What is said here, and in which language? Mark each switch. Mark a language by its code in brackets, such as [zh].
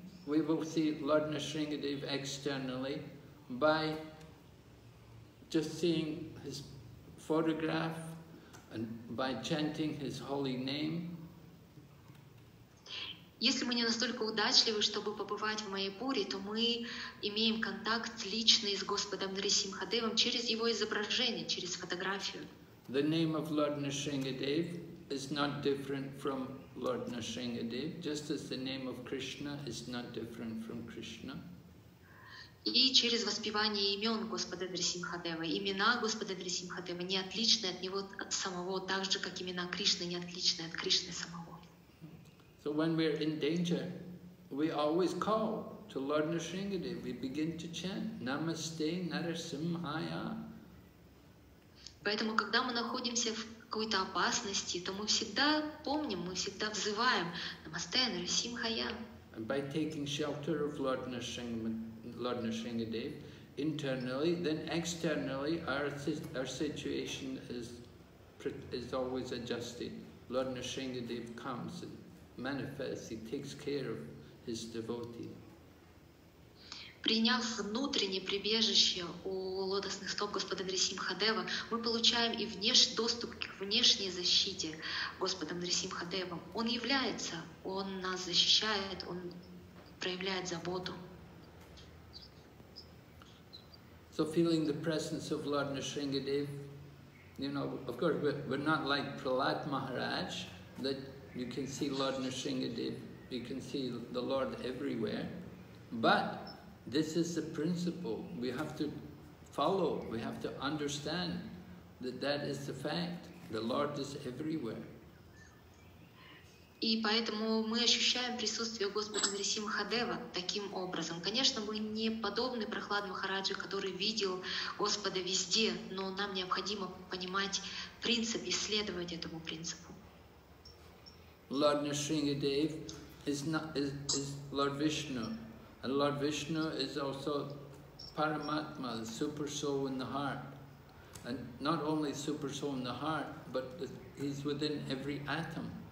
[en] we will see Lord Nrisimhadev externally by just seeing his photograph and by chanting his holy name. [ru] Если мы не настолько удачливы, чтобы побывать в Майяпуре, то мы имеем контакт личный с Господом Нрисимхадевом через его изображение, через фотографию. [en] The name of Lord Nrisimhadev is not different from Lord Nrisimhadev, just as the name of Krishna is not different from Krishna. [ru] И через воспевание имен Господа Нрисимхадева. Имена Господа Нрисимхадева не отличны от него от самого, так же, как имена Кришны не отличны от Кришны самого. [en] So when we're in danger, we always call to Lord Nrisimhadev. We begin to chant, Namaste Narasimhaya. [ru] Поэтому, когда мы находимся в какой-то опасности, то мы всегда помним, мы всегда взываем [sa] Namaste Narasimhaya. [en] And by taking shelter of Lord Nrisimhadev, internally, then externally, our situation is always adjusted. Lord Nrisimhadev comes and manifests, he takes care of his devotee. [ru] Приняв внутреннее прибежище у лотосных стоп Господа Нрисимхадева, мы получаем и доступ к внешней защите Господом Нрисимхадевом. Он является, он нас защищает, он проявляет заботу. [en] So feeling the presence of Lord Nrisimhadev, you know, of course we're not like Prahlad Maharaj, that you can see Lord Nrisimhadev, you can see the Lord everywhere, but this is the principle we have to follow, we have to understand that that is the fact, the Lord is everywhere. [ru] И поэтому мы ощущаем присутствие Господа Нрисимхадева таким образом. Конечно, мы не подобны Прахлад Махараджи, который видел Господа везде, но нам необходимо понимать принцип, исследовать этому принципу. [en] Lord Nrisimhadev is Lord Vishnu, and Lord Vishnu is also Paramatma, the Super Soul in the heart. And not only Super Soul in the heart, but he's within every atom.